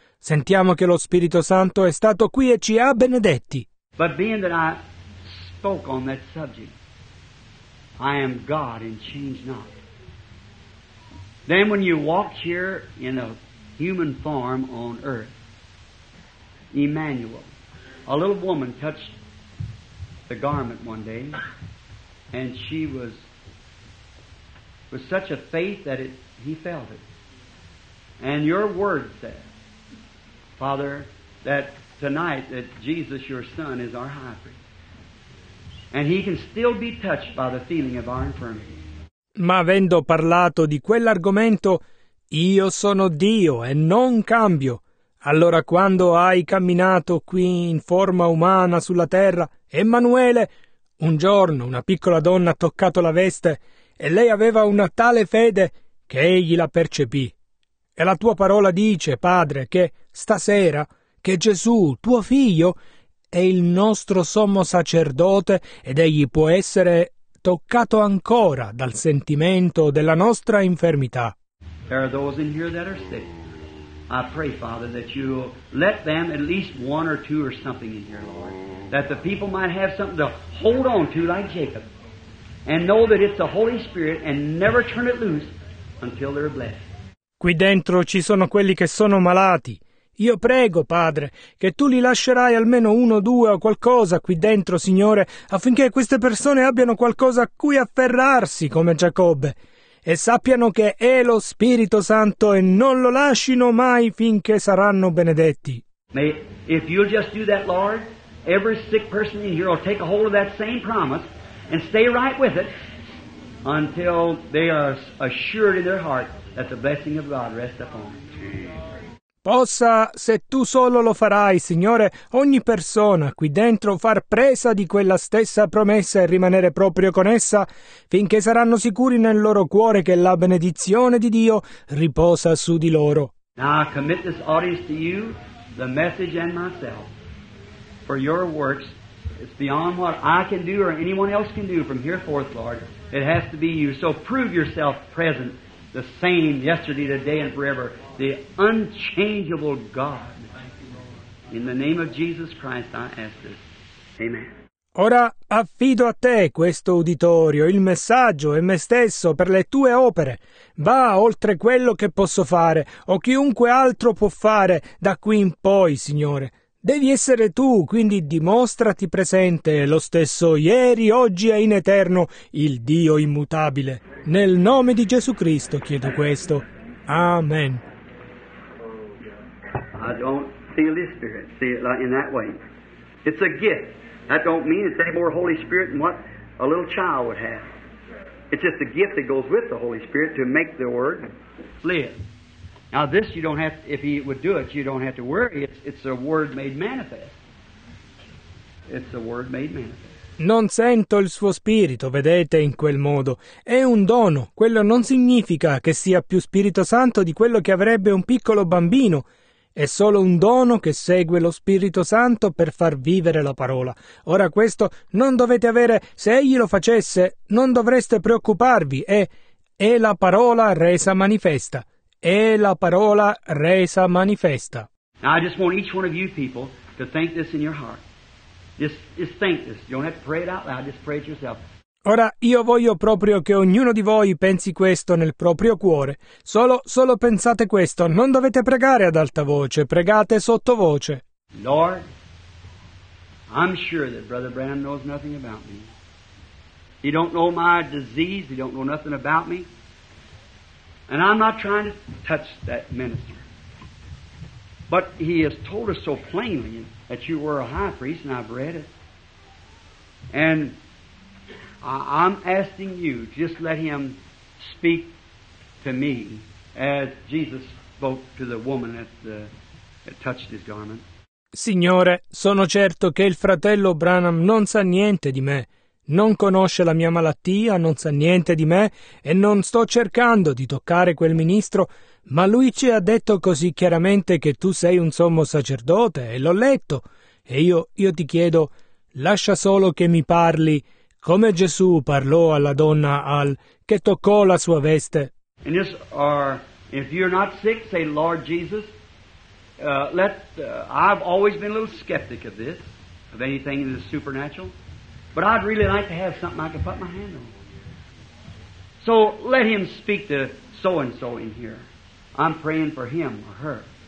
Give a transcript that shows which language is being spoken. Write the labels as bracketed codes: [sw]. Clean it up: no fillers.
[it] Sentiamo che lo Spirito Santo è stato qui e ci ha benedetti. [en] But being that I spoke on that subject, I am God and change not. Then when you walk here in a human form on earth, Emmanuel, a little woman touched the garment one day, and she was with such a faith that he felt it. And your word said, Father, that tonight that Jesus, your Son, is our high priest. And he can still be touched by the feeling of our infirmity. [it] Ma avendo parlato di quell'argomento, io sono Dio e non cambio. Allora quando hai camminato qui in forma umana sulla terra, Emanuele, un giorno una piccola donna ha toccato la veste e lei aveva una tale fede che egli la percepì. E la tua parola dice, Padre, che stasera, che Gesù, tuo figlio, è il nostro sommo sacerdote ed egli può essere toccato ancora dal sentimento della nostra infermità. [en] There are those in here that are sick. I pray, Father, that you let them at least one or two or something in here, Lord. That the people might have something to hold on to like Jacob. And know that it's the Holy Spirit and never turn it loose until they're blessed. [it] Qui dentro ci sono quelli che sono malati. Io prego, Padre, che tu li lascerai almeno uno, due o qualcosa qui dentro, Signore, affinché queste persone abbiano qualcosa a cui afferrarsi come Giacobbe. e sappiano che è lo Spirito Santo e non lo lascino mai finché saranno benedetti. [en] If you'll just do that, Lord, every sick person in here will take a hold of that same promise and stay right with it until they are assured in their heart that the blessing of God rests upon them. [it] Possa, se tu solo lo farai, Signore, ogni persona qui dentro far presa di quella stessa promessa e rimanere proprio con essa, finché saranno sicuri nel loro cuore che la benedizione di Dio riposa su di loro. [en] Now I commit this audience to you, the message and myself, for your works. It's beyond what I can do or anyone else can do from here forth, Lord. It has to be you. So prove yourself present, the same yesterday, today, and forever. The unchangeable God. In the name of Jesus Christ, I ask this. Amen. [it] Ora affido a te questo uditorio, il messaggio e me stesso per le tue opere. Va oltre quello che posso fare o chiunque altro può fare da qui in poi, Signore. Devi essere tu, quindi dimostrati presente, lo stesso ieri, oggi e in eterno, il Dio immutabile. Nel nome di Gesù Cristo chiedo questo. Amen. [en] I don't feel His Spirit. See it like in that way. It's a gift. That don't mean it's any more Holy Spirit than what a little child would have. It's just a gift that goes with the Holy Spirit to make the Word live. Now this, you don't have to, if He would do it, you don't have to worry. It's a Word made manifest. It's a Word made manifest. [it] Non sento il suo spirito, vedete, in quel modo. È un dono. Quello non significa che sia più Spirito Santo di quello che avrebbe un piccolo bambino. È solo un dono che segue lo Spirito Santo per far vivere la parola. Ora questo non dovete avere, se egli lo facesse, non dovreste preoccuparvi. È la parola resa manifesta. È la parola resa manifesta. [en] Now I just want each one of you people to think this in your heart. Just think this. You don't have to pray it out loud. Just pray it yourself. [it] Ora io voglio proprio che ognuno di voi pensi questo nel proprio cuore. Solo pensate questo. Non dovete pregare ad alta voce, pregate sottovoce. [en] Lord, I'm sure that Brother Branham knows nothing about me. He don't know my disease, he don't know nothing about me. And I'm not trying to touch that minister. But he has told us so plainly that you were a high priest, and I've read it. And I'm asking you, just let him speak to me as Jesus spoke to the woman that touched his garment. [it] Signore, sono certo che il fratello Branham non sa niente di me. Non conosce la mia malattia, non sa niente di me e non sto cercando di toccare quel ministro, ma lui ci ha detto così chiaramente che tu sei un sommo sacerdote e l'ho letto. E io ti chiedo, lascia solo che mi parli. Come Gesù parlò alla donna Al che toccò la sua veste. [en] And just, or if you're not sick, say, Lord Jesus, I've always been a little skeptic of this, of anything in the supernatural, but I'd really like to have something I can put my hand on. So let him speak to so-and-so in here. I'm praying for him or her.